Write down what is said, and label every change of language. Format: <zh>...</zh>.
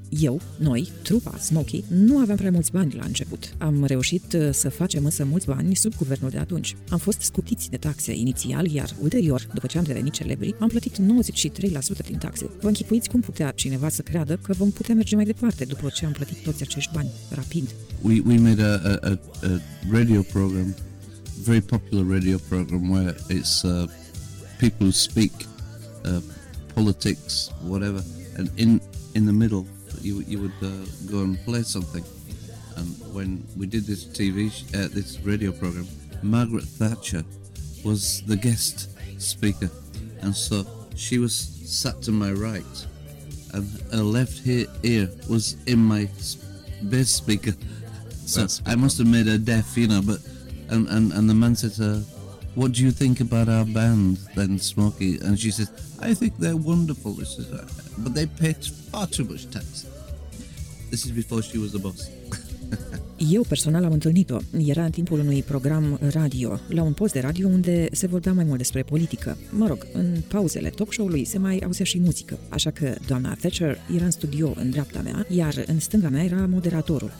<ro>Eu, noi, trupa Smokey, nu aveam prea mulți bani la început. Am reușit să facem însă mulți bani sub guvernul de atunci. Am fost scutiți de taxe inițial, iar ulterior, după ce am devenit celebri, am plătit 93% din taxe. Vă închipuiți cum putea cineva să creadă că vom putea merge mai departe după ce am plătit toți acești bani, rapid.</ro> <en>We made a radio program, very popular radio program, where it's people who speak politics, whatever, and in the middle you would go and play something. And when we did this this radio program, Margaret Thatcher was the guest speaker, and so she was sat to my right, and her left ear was in my bass speaker. So I must have made her deaf, you know. But and the man said to her, "What do you think about our band, then, Smokey?" And she said, "I think they're wonderful," but they pay far too much tax. This is before she was the boss.</en> <ro>Eu personal am întâlnit-o. Era în timpul unui program radio, la un post de radio unde se vorbea mai mult despre politică. Mă rog, în pauzele talk show-ului se mai auzea și muzică. Așa că doamna Thatcher era în studio în dreapta mea, iar în stânga mea era moderatorul.</ro>